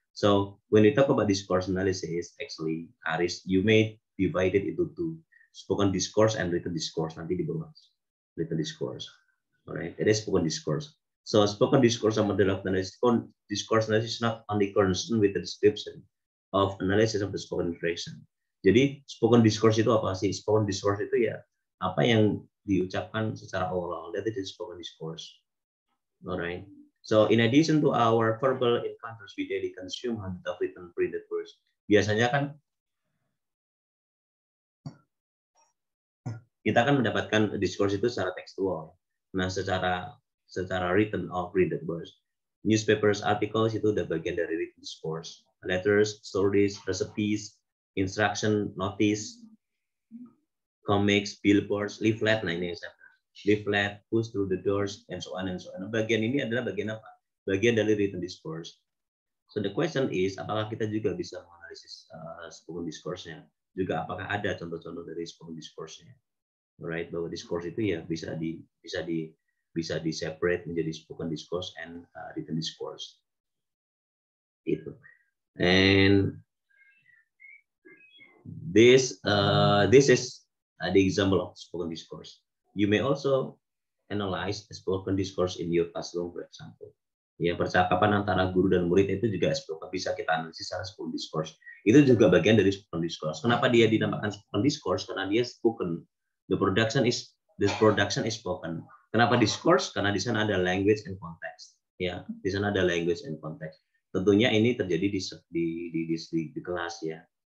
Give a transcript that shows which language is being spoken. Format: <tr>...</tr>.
<en>So when we talk about discourse analysis, actually, Aris, you may divide it into two: spoken discourse and written discourse.</en> <id>Nanti dibahas</id> <en>written discourse. Alright, it is spoken discourse. So spoken discourse and modern analysis, discourse analysis not only concerned with the description of analysis of the spoken interaction.</en> <id>Jadi spoken discourse itu apa sih? Spoken discourse itu ya apa yang diucapkan secara oral.</id> <en>That is spoken discourse. Alright. So in addition to our verbal encounters, we daily consume hundreds of written printed words.</en> <id>Biasanya kan kita kan mendapatkan discourse itu secara tekstual.</id> <en>Nah, secara written or printed words. Newspapers, articles</en> <id>itu udah bagian dari</id> <en>written discourse. Letters, stories, recipes, instruction, notice, comics, billboards, leaflet, nah ini example. Leaflet, push through the doors, and so on.</en> <id>Bagian ini adalah bagian apa? Bagian dari written discourse.</id> <en>So the question is,</en> <id>apakah kita juga bisa menganalisis spoken discourse-nya? Juga apakah ada contoh-contoh dari spoken discourse-nya? Right, bahwa discourse itu ya bisa di separate menjadi spoken discourse and written discourse. Itu.</id> <en>And this is the example of spoken discourse. You may also analyze spoken discourse in your classroom, for example.</en> <id>Ya, percakapan antara guru dan murid itu juga spoken, bisa kita analisis secara spoken discourse. Itu juga bagian dari spoken discourse. Kenapa dia dinamakan spoken discourse? Karena dia spoken.</id> <en>The production is spoken.</en> <id>Kenapa discourse? Karena di sana ada language and context. Ya, di sana ada language and context. Tentunya ini terjadi di kelas ya.</id>